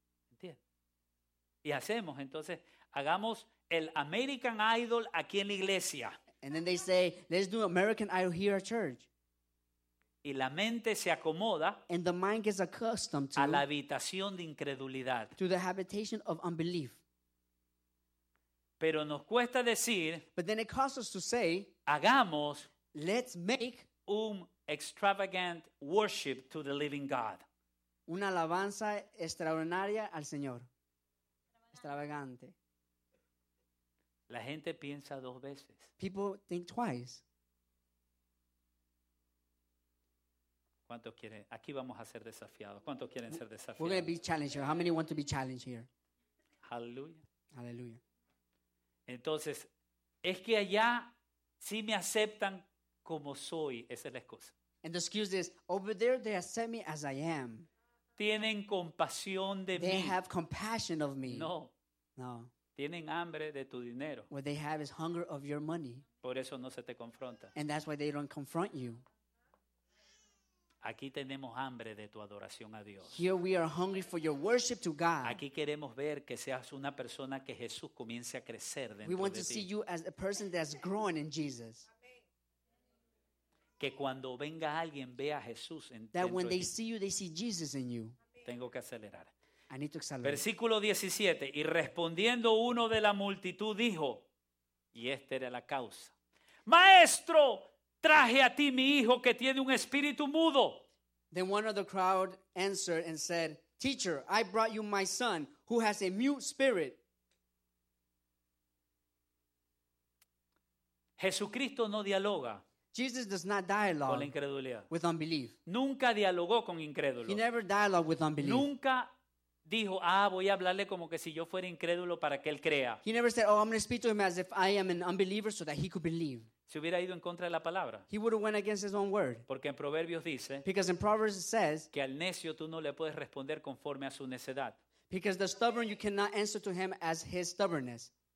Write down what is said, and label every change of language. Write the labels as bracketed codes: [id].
[es] ¿Entiendes? Y hacemos entonces hagamos el American Idol aquí en la iglesia. [en] And then they say, let's do American Idol here at church. [es] Y la mente se acomoda [en] and the mind gets accustomed to [es] a la habitación de incredulidad. [en] To the habitation of unbelief. [es] Pero nos cuesta decir, [en] but then it costs us to say, [es] hagamos, [en] let's make un extravagant worship to the living God. [es] Una alabanza extraordinaria al Señor. Extravagante. La gente piensa dos veces. [en] People think twice. [es] ¿Cuántos quieren? Aquí vamos a ser desafiados. ¿Cuántos quieren ser desafiados? [en] We're going to be challenged here. How many want to be challenged here? [es] Aleluya. Aleluya. Entonces, es que allá sí me aceptan como soy. Esa es la excusa. [en] And the excuse is, over there they accept me as I am. [es] Tienen compasión de [en] they [es] mí. [en] They have compassion of me. [es] No. [en] No. [es] Tienen hambre de tu dinero. [en] What they have is hunger of your money. [es] Por eso no se te confronta. [en] And that's why they don't confront you. [es] Aquí tenemos hambre de tu adoración a Dios. [en] Here we are hungry for your worship to God. [es] Aquí queremos ver que seas una persona que Jesús comience a crecer dentro de ti. [en] We want to see you as a person that's growing in Jesus. [es] Que cuando venga alguien vea a Jesús en [en] ti. That when they see you, they see Jesus in you. [es] Tengo que acelerar. [en] I need to accelerate. [es] Versículo 17. Y respondiendo uno de la multitud dijo, y esta era la causa. Maestro, traje a ti mi hijo que tiene un espíritu mudo. [en] Then one of the crowd answered and said, Teacher, I brought you my son who has a mute spirit. [es] Jesucristo no dialoga. [en] Jesus does not dialogue [es] con la incredulidad. [en] With unbelief. [es] Nunca dialogó con incrédulos. [en] He never dialogued with unbelief. [es] Nunca dijo, ah, voy a hablarle como que si yo fuera incrédulo para que él crea. [en] He never said, oh, I'm going to speak to him as if I am an unbeliever so that he could believe. [es] Se hubiera ido en contra de la palabra. [en] He would have went against his own word. [es] Porque en Proverbios dice, [en] because in Proverbs it says, [es] que al necio tú no le puedes responder conforme a su necedad. [en] Because the stubborn you cannot answer to him as his stubbornness.